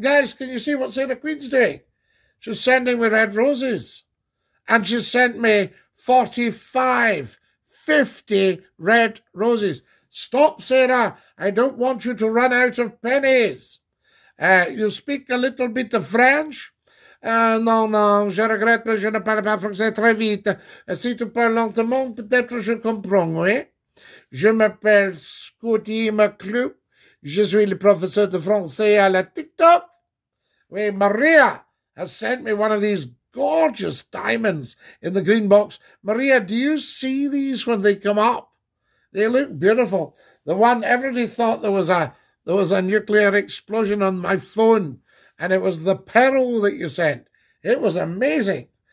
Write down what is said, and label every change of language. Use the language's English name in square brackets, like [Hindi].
[English] Guys, can you see what Sarah Queen's doing? She's sending me red roses. And she sent me 45. 50 red roses. Stop, Sarah. I don't want you to run out of pennies. You speak a little bit of French? [French] Non, je regrette, je ne parle pas français très vite. Si tu parles lentement, peut-être je comprends, oui. Je m'appelle Scotty McClure. Je suis le professeur de français à la TikTok. [English] Oui, Maria has sent me one of these gorgeous diamonds in the green box. Maria, do you see these when they come up? They look beautiful. The one everybody thought there was a nuclear explosion on my phone, and it was the pearl that you sent. It was amazing.